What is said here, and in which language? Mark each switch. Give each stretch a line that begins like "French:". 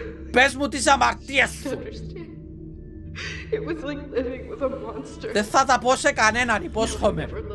Greek: Πες μου τις αμαρτίες σου.
English: It was like living with a monster.
Greek: Δεν θα τα πω σε κανέναν, υπόσχομαι.